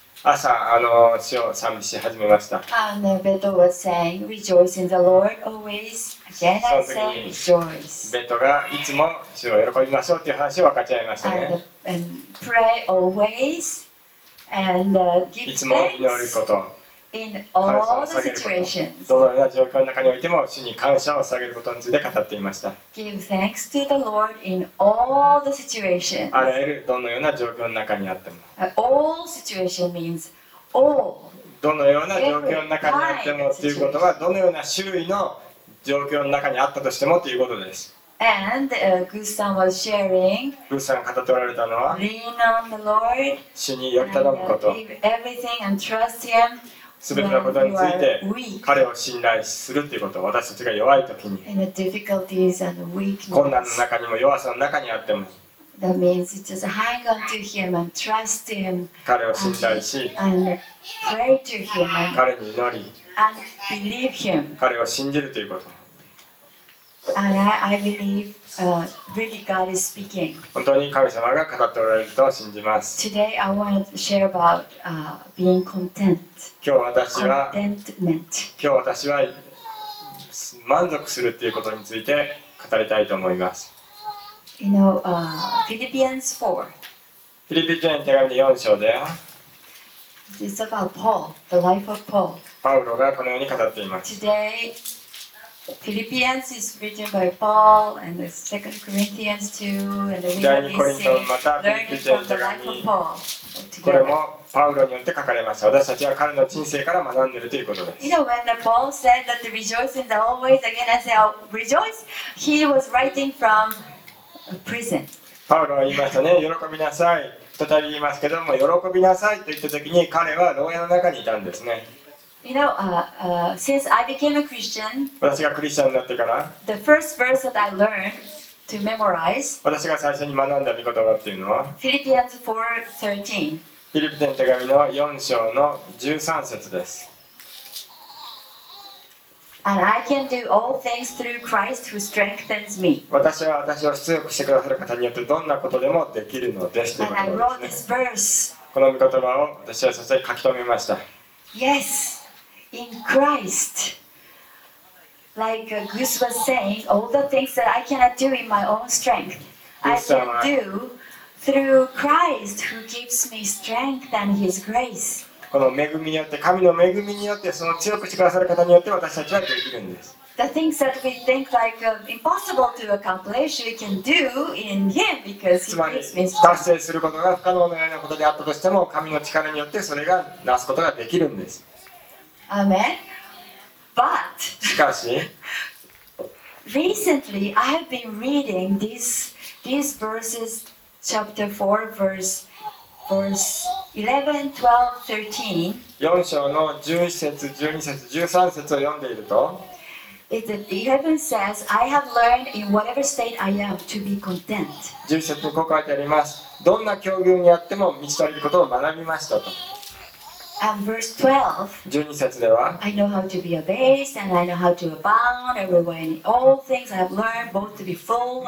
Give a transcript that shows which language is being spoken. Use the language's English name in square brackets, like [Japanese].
[Japanese] 朝、主を賛美し始めました。 [English] And Beto was saying, rejoice in the Lord always. Again, I said, rejoice. [Japanese] Beto がいつも主を喜びましょうという話を分かち合いましたね。 [English] And pray always. And give thanks. [Japanese] いつも祈ること。 [English] In all the situations. [Japanese] どのような状況の中においても主に感謝を捧げることについて語っていました。 [English] Give thanks to the Lord in all the situations. [Japanese] あらゆるどのような状況の中にあっても、 [English] all situation means all. [Japanese] どのような状況の中にあってもということは、どのような種類の状況の中にあったとしてもということです。 [English] And Gus-san was sharing. [Japanese] Gus-san が語っておられたのは、 [English] Lean on the Lord. [Japanese] 主により頼むこと。 [English] Give everything and trust him. [Japanese] すべてのことについて彼を信頼するということ。私たちが弱いときに、 [English] and difficulties and weakness. [Japanese] 困難の中にも弱さの中にあっても、 [English] that means just hang on to him and trust him. [Japanese] 彼を信頼し、 [English] and pray to him. [Japanese] 彼に祈り、 [English] and believe him. [Japanese] 彼を信じるということ。 [English] And I believe, really God is speaking. [Japanese] 本当に神様が語っておられると信じます。 [English] Today I want to share about, being content. [Japanese] 今日私は、 [English] Contentment. [Japanese] 今日私は満足するということについて語りたいと思います。 [English] You know, Philippians 4. [Japanese] フィリピ人手紙4章で、 [English] It's about Paul, the life of Paul. [Japanese] パウロがこのように語っています。 [English] Today,Philippians is written by Paul, and the Second Corinthians too, and we are learning from the life of Paul together. [Japanese] これもパウロによって書かれました。私たちは彼の人生から学んでいるということです。 [English] You know, when the Paul said that rejoice in the always, again I say, rejoice, he was writing from a prison. [Japanese] パウロは言いましたね、喜びなさい。再び言いますけども、喜びなさいと言ったときに彼は牢屋の中にいたんですね。 [English] You know, since I became a Christian, [Japanese] 私がクリスチャンになってから、 [English] the first verse that I learned to memorize, [Japanese] 私が最初に学んだ御言葉っていうのは、 [English] Philippians 4:13. [Japanese] フィリピ人手紙の4章の13節です。 [English] And I can do all things through Christ who strengthens me. [Japanese] 私は私を強くしてくださる方によってどんなことでもできるのですということですね。 [English] And I wrote this verse. [Japanese] この御言葉を私は早速書き留めました。 [English] Yes. In Christ, like Gus was saying, all the things that I cannot do in my own strength, I can do through Christ who gives me strength and His grace. [Japanese] この恵みによって、神の恵みによって、その強くしてくださる方によって、私たちはできるんです。 [English] The things that we think like impossible to accomplish, we can do in Him because He gives me strength. [Japanese] つまり、達成することが不可能のようなことであったとしても、神の力によってそれがなすことができるんです。 [English] Amen. But, [Japanese] しかし、 [English] recently I have been reading these verses, chapter 4, verse 11, 12, 13. 4 [Japanese] 章の11節、12節、13節を読んでいると、 [English] It says, I have learned in whatever state I am to be content. [Japanese] 11節にこう書いてあります。どんな境遇にあっても満ち足りることを学びましたと。 [English] And verse 12, [Japanese] 12節では、 [English] I know how to be abased and I know how to abound everywhere in all things I've learned, both to be full